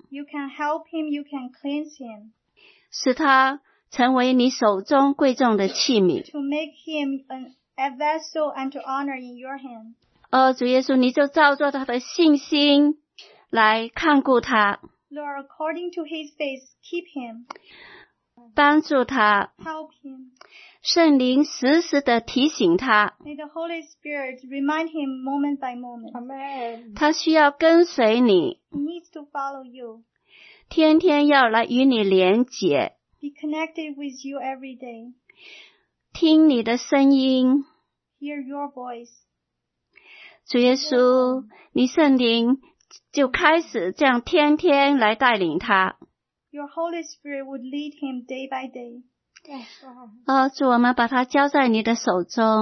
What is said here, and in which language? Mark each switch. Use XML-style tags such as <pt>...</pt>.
<en>you can help him, you can cleanse him.</en> <zh>使他成为你手中贵重的器皿,</zh> <en>to make him a vessel and to honor in your hand.</en> <zh>主耶稣,你就照着他的信心来看顾他,</zh> <en>Lord, according to his faith, keep him.</en> <zh>帮助他,</zh> <en>help him.</en> <zh>圣灵时时地提醒他,</zh> <en>May the Holy Spirit remind him moment by moment. Amen.</en> <zh>他需要跟随你,</zh> <en>He needs to follow you.</en> <zh>天天要来与你连结,</zh> <en>Be connected with you every day.</en> <zh>听你的声音,</zh> <en>Hear your voice.</en> <zh>主耶稣, 你圣灵就开始这样天天来带领他,</zh> <en>Your Holy Spirit would lead him day by day. Yes.</en> <zh>主，我们把他交在你的手中。</zh>